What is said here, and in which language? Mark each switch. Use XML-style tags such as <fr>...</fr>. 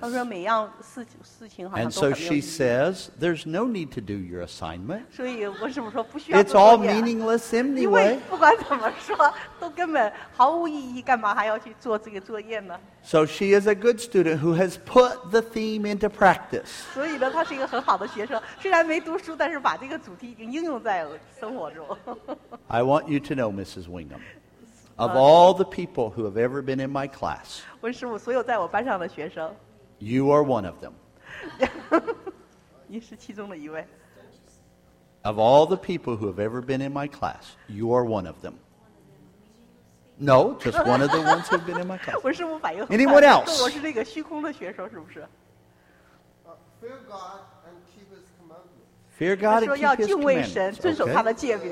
<zh>他说每样事情好像都很没有意义。</zh> <en>And so she says, there's no need to do your assignment.</en> <zh>所以为什么说不需要做作业？</zh> <en>It's all meaningless anyway.</en> <zh>因为不管怎么说，都根本毫无意义，干嘛还要去做这个作业呢？</zh> <en>So she is a good student who has put the theme into practice.</en> <zh>所以呢，她是一个很好的学生，虽然没读书，但是把这个主题已经应用在生活中。</zh> <en>I want you to know, Mrs. Wingham, of all the people who have ever been in my class,</en> <zh>温师傅，所有在我班上的学生,</zh> <en>you are one of them.</en> <zh>你是其中的一位。</zh> <en>Of all the people who have ever been in my class, you are one of them. No, just one of the ones who have been in my class.</en> <zh>温师傅反应很快。</zh> <en>Anyone else?</en> <zh>我是那个虚空的学生，是不是？</zh> <en>Fear God and keep His commandments. Fear God and keep His commandments.</en> <zh>说要敬畏神，遵守他的诫命。</zh>